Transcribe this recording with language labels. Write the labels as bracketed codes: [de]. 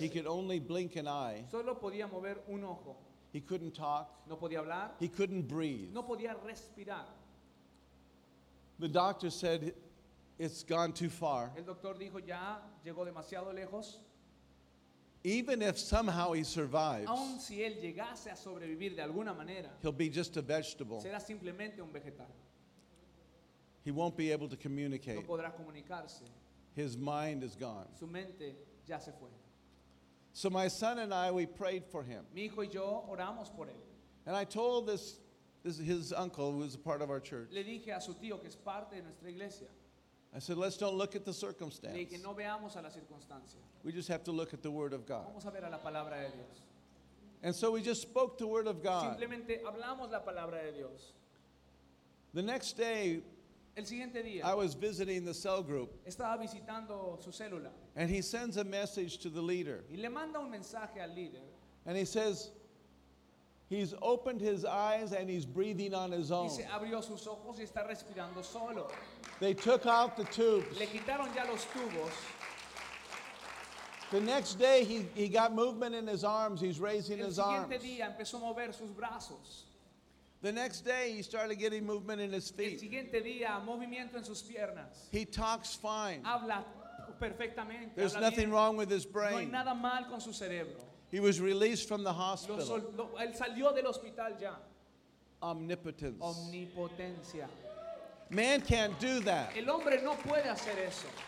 [en] He could only blink an eye. [es] Solo podía mover un ojo. [en] He couldn't talk. [es] No podía hablar. [en] He couldn't breathe. [es] No podía respirar. [en] The doctor said, it's gone too far. [es] El doctor dijo, ya llegó demasiado lejos. [en] Even if somehow he survives, [es] aun si él llegase a sobrevivir de alguna manera, [en] he'll be just a vegetable. [es] Será simplemente un vegetal. [en] He won't be able to communicate. [es] No podrá comunicarse. [en] His mind is gone. [es] Su mente ya se fue. [en] So my son and I, we prayed for him. [es] Mi hijo y yo oramos por él. [en] And I told this his uncle, who is a part of our church. [es] Le dije a su tío que es parte de nuestra iglesia. [en] I said, let's don't look at the circumstance. [es] Le dije, no veamos a la circunstancia. [en] We just have to look at the Word of God. [es] Vamos a ver a la palabra de Dios. [en] And so we just spoke the Word of God. [es] Simplemente hablamos la palabra de Dios. [en] The next day, [es] el siguiente día, [en] I was visiting the cell group. [es] Estaba visitando su célula. [en] And he sends a message to the leader. [es] Y le manda un mensaje al líder. [en] And he says, he's opened his eyes and he's breathing on his own. [es] Y se abrió sus ojos y está respirando solo. [en] They took out the tubes. [es] Le quitaron ya los tubos. [en] The next day he got movement in his arms. He's raising his arms. [es] El siguiente día empezó a mover sus brazos. [en] The next day he started getting movement in his feet. [es] El siguiente día movimiento en sus piernas. [en] He talks fine. [es] Habla perfectamente. [en] There's [es] habla [en] nothing [es] bien. [en] Wrong with his brain. [es] No hay nada mal con su cerebro. [en] He was released from the hospital. [es] Él salió del hospital ya. [en] Omnipotence. [es] Omnipotencia. [en] Man can't do that. [es] El hombre no puede hacer eso.